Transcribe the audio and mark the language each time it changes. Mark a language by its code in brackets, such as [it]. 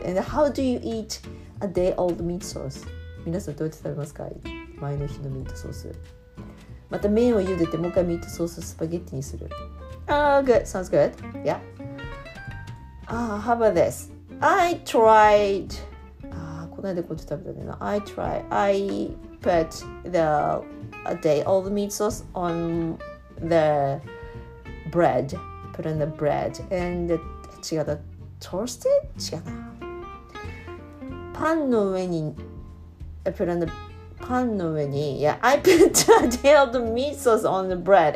[en] And how do you eat a day old meat sauce? [ja] 皆さんどうやって食べますか?前の日のミートソース。また麺を茹でてもう一回ミートソーススパゲッティにする。 [en] Oh, good. Sounds good. Yeah. How about this? I tried... [ja] この間こっち食べたね。 [en] I tried. I put the a day old meat sauce on the bread. Put on the bread. And 違う。Toasted? 違う。 [ja] パンの上に [en] put on the パンの上に Yeah. I put a day old meat sauce on the bread.